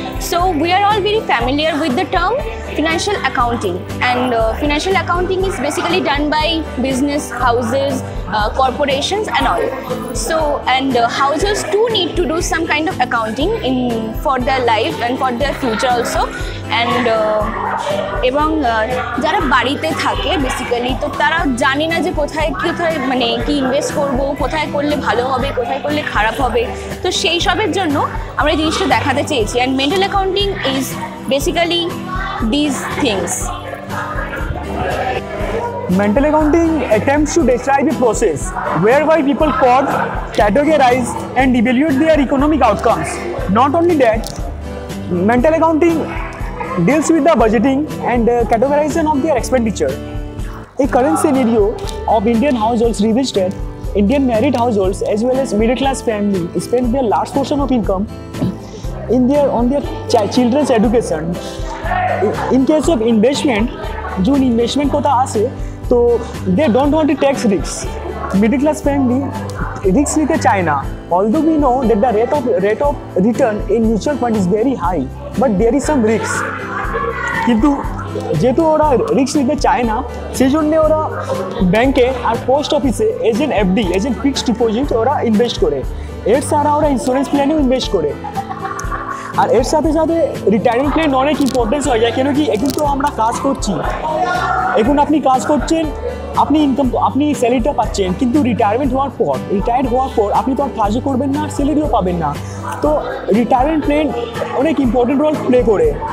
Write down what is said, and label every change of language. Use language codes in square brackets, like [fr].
[en] So we are all very familiar with the term financial accounting, and financial accounting is basically done by business, houses, corporations and all. So and houses too need to do some kind of accounting in for their life and for their future also. [bn] And এবং যারা বাড়িতে থাকে basically, তো তারা জানে না যে কোথায় কোথায় মানে কি ইনভেস্ট করবো, কোথায় করলে ভালো হবে, কোথায় করলে খারাপ হবে, তো সেই সবের জন্য আমরা এই জিনিসটা দেখাতে চেয়েছি। [en] And mental accounting is basically these things. Mental accounting attempts to describe a process whereby people plot, categorize and evaluate their economic outcomes. Not only that, mental accounting deals with the budgeting and categorization of their expenditure. A current scenario of Indian households reveals that Indian married households as well as middle class families spend their large portion of income in their on their children's education. In case of investment, [bn] jun investment kotha ase, [en] so they don't want to tax risks. [bn] Middle class family risk nite chay na. [en] Although we know that the rate of return in mutual fund is very high, but there is some risks. [bn] কিন্তু যেহেতু ওরা risk নিতে চায় না, সেই জন্যে ওরা ব্যাংকে আর পোস্ট অফিসে age N FD age N fixed deposit ওরা ইনভেস্ট করে, এর সারা ওরা ইন্স্যুরেন্স প্ল্যানেও ইনভেস্ট করে, আর এর সাথে সাথে রিটায়ারিং প্ল্যান অনেক ইম্পর্টেন্স হয়ে যায়। কেন কি এখন তো আমরা কাজ করছি, এখন আপনি কাজ করছেন, আপনি ইনকাম আপনি স্যালারিটা পাচ্ছেন, কিন্তু রিটায়ার হওয়ার পর আপনি তো আর কাজও করবেন না আর স্যালারিও পাবেন না, তো রিটায়ারমেন্ট প্ল্যান অনেক ইম্পর্টেন্ট রোল প্লে করে।